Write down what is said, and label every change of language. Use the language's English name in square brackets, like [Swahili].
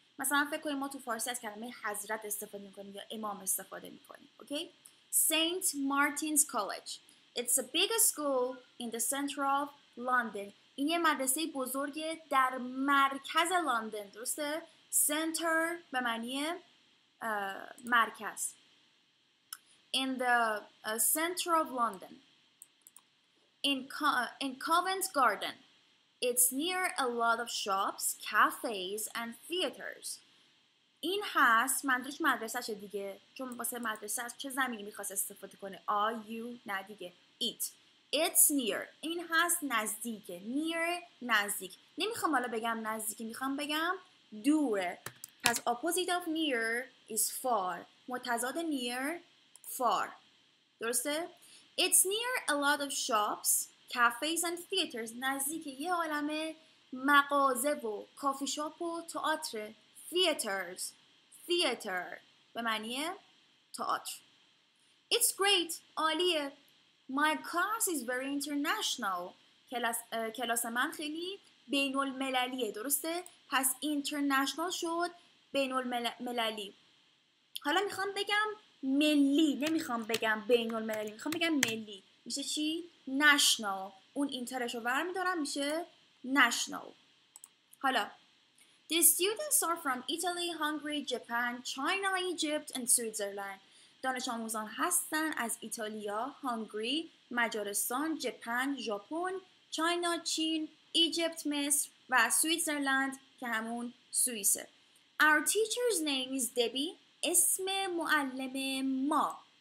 [Persian] مثلا فکر کنیم ما تو فارسی از کلمه حضرت استفاده میکنیم یا امام استفاده میکنیم. اوکی؟ سنت مارتینز کالج. [English] It's a big school in the center of London. [Persian] این یه مدرسه بزرگ در مرکز لندن. درسته؟ Center به معنی مرکز. [English] In the center of London. In Covent Garden. It's near a lot of shops, cafes and theaters. [Persian] این هست مندرش مدرسه شد دیگه. چون واسه مدرسه هست چه زمینی میخواست استفاده کنه؟ [English] Are you؟ [Persian] نه دیگه. [English] It. It's near. [Persian] این هست نزدیک. Near نزدیک. نمیخوام حالا بگم نزدیکی. میخوام بگم دوره. پس [English] opposite of near is far. [Persian] متضاد near far. [English] درسته؟ It's near a lot of shops, cafes and theaters. [Persian] نزدیک یه عالمه مغازه و کافی شاپ و تئاتر. Theaters. Theater. به معنی تئاتر. [English] It's great. [Persian] عالیه. [English] My class is very international. [Persian] کلاس من خیلی بین المللیه. درسته؟ پس international شد بین المللی. حالا میخوام بگم ملی. نمیخوام بگم بین المللی. میخوام بگم ملی. میشه چی؟ national. اون اینترش رو برمیدارم میشه national. [English] حالا The students are from Italy, Hungary, Japan, China, Egypt and Switzerland. [Persian] دانش آموزان هستن از ایتالیا، هنگری، مجارستان، ژاپن، ژاپن، چاینا، چین، ایجیپت، مصر و سوئیسرلند که همون سوئیسه. [English] Our teacher's name is Debbie. [Persian] اسم معلم ما.